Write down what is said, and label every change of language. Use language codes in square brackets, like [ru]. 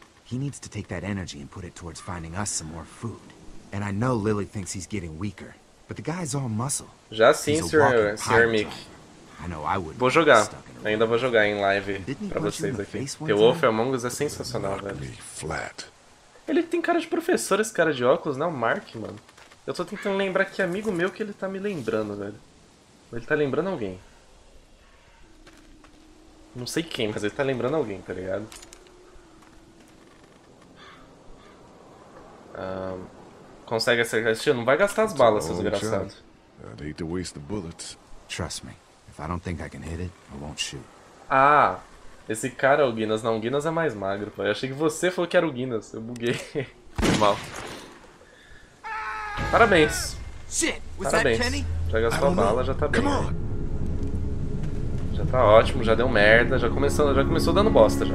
[en] He needs to take that energy and put it towards finding us some more food. And I know Lily thinks he's getting weaker, but the guy's all muscle. [pt] Já sim, Sir Mick. [en] I know I would. [pt] Vou jogar. Ainda vou jogar em live pra vocês aqui. The Wolf Among Us é sensacional, velho. Ele tem cara de professor, esse cara de óculos, né? O Mark, mano. Eu tô tentando lembrar que amigo meu que ele tá me lembrando, velho. Ele tá lembrando alguém. Não sei quem, mas ele tá lembrando alguém, tá ligado? Consegue acertar esse tiro? Não vai gastar as balas, seus desgraçados. [en] I'd hate to waste the bullets. Trust me. If I don't think I can hit it, I won't shoot. [pt] Ah! Esse cara é o Guinness. Não, o Guinness é mais magro, pô. Eu achei que você falou que era o Guinness. Eu buguei. Foi mal. Parabéns! Parabéns. Já gastou a bala, já tá bem. Já tá ótimo, já deu merda, já começou dando bosta já.